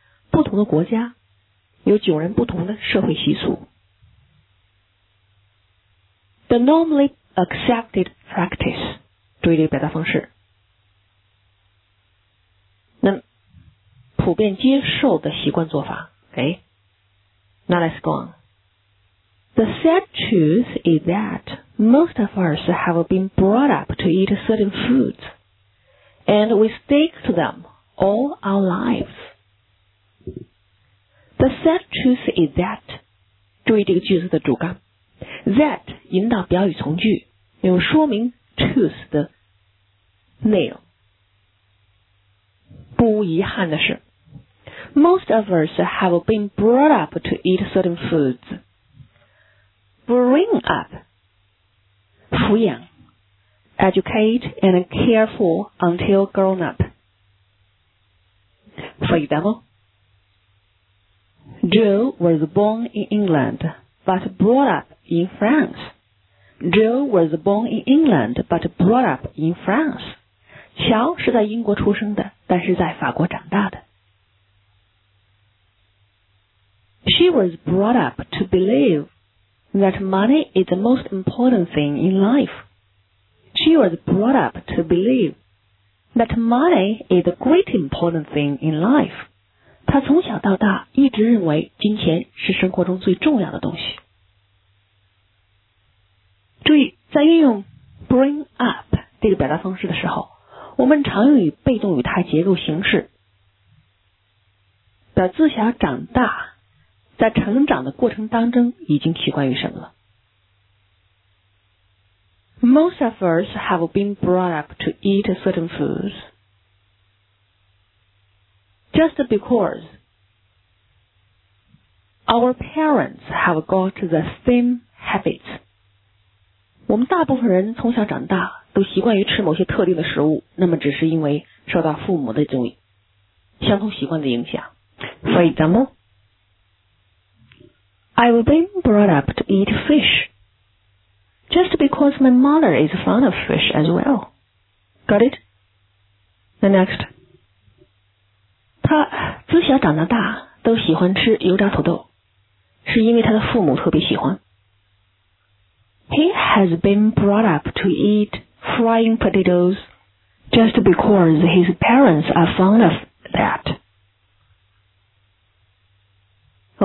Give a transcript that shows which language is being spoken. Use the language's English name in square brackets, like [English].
[Chinese] 不同的国家有迥然不同的社会习俗。 [English] The normally accepted practice. [Chinese] 注意这个表达方式。那普遍接受的习惯做法。 [English] Okay? Now let's go on. The sad truth is that most of us have been brought up to eat certain foods. And we stick to them all our lives. The sad truth is that, [Chinese] 注意这个句子的主干， that 引导表语从句，用说明 truth 的内容。不无遗憾的是， [English] most of us have been brought up to eat certain foods. Bring up, 抚养。Educate and care for until grown up. For example, Joe was born in England but brought up in France. Joe was born in England but brought up in France. [Chinese] 乔是在英国出生的，但是在法国长大的。 [English] She was brought up to believe that money is the most important thing in life. She was brought up to believe that money is a great important thing in life. [Chinese] 她从小到大一直认为金钱是生活中最重要的东西。注意，在运用 bring up 这个表达方式的时候，我们常用于被动语态结构形式，表自小长大，在成长的过程当中已经习惯于什么了。 [English] Most of us have been brought up to eat certain foods. Just because our parents have got the same habits. [Chinese] 我们大部分人从小长大都习惯于吃某些特定的食物，那么只是因为受到父母的这种相同习惯的影响。 [English] For example, I've been brought up to eat fish. Just because my mother is fond of fish as well. Got it? The next. [Chinese] 他自小长得大都喜欢吃油炸土豆，是因为他的父母特别喜欢。 [English] He has been brought up to eat frying potatoes just because his parents are fond of that.